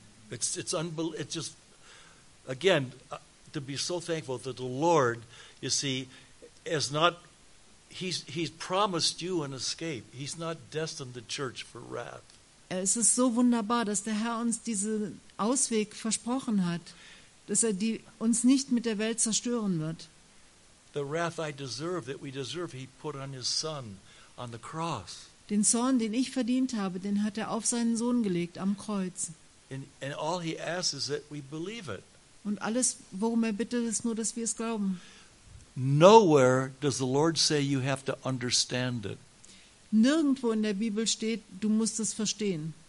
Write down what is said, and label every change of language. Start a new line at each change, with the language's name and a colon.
English: It's just, again, to be so thankful that the Lord, you see, is not, he's promised you an escape. He's not destined the church for wrath.
German: Es ist so wunderbar, dass der Herr uns diesen Ausweg versprochen hat, dass er die uns nicht mit der Welt zerstören wird.
English: The wrath I deserve, that we deserve, he put on his son on the cross.
German: Den Zorn, den ich verdient habe, den hat er auf seinen Sohn gelegt am Kreuz.
English: And all he asks is that we believe it.
German: Und alles, worum er bittet, ist nur, dass wir es glauben.
English: Nowhere does the Lord say you have to understand it.
German: Nirgendwo in der Bibel steht, du musst es verstehen.